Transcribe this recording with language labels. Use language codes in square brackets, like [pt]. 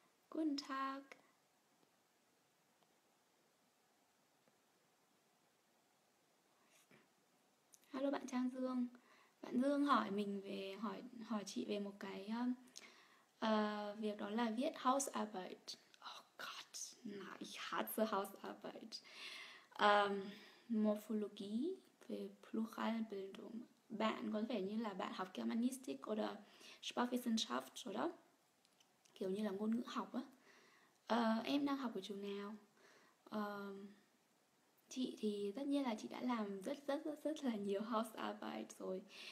[de] Guten Tag. [vi] Hello bạn Trang Dương. Bạn Dương hỏi mình về hỏi hỏi chị về một cái việc đó là viết house arbeit. [de] Oh God, nein, ich hasse house arbeit. Morphologie về Pluralbildung. [vi] Bạn có vẻ như là bạn học Germanistik [de] oder [vi] Sprachwissenschaft rồi đó, kiểu như là ngôn ngữ học á. Em đang học ở trường nào? Chị thì tất nhiên là chị đã làm rất rất rất rất là nhiều house arbeit rồi.